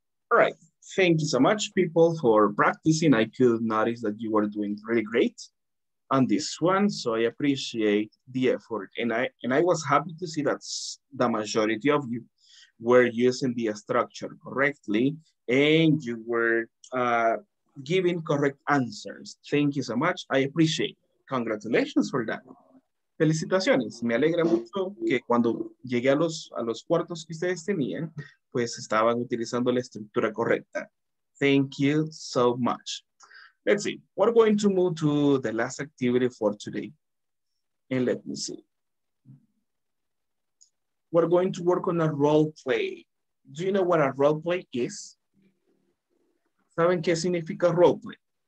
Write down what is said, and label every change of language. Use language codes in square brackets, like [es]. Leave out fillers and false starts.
[en] All right, thank you so much, people, for practicing. I could notice that you were doing really great on this one, so I appreciate the effort. And I was happy to see that the majority of you were using the structure correctly, and you were giving correct answers. Thank you so much. I appreciate it. Congratulations for that. Felicitaciones. [es] Me alegra mucho que cuando llegué a los cuartos que ustedes tenían, pues estaban utilizando la estructura correcta. [en] Thank you so much. Let's see. We're going to move to the last activity for today. And let me see. We're going to work on a role play. Do you know what a role play is? [es] ¿Saben qué significa roleplay?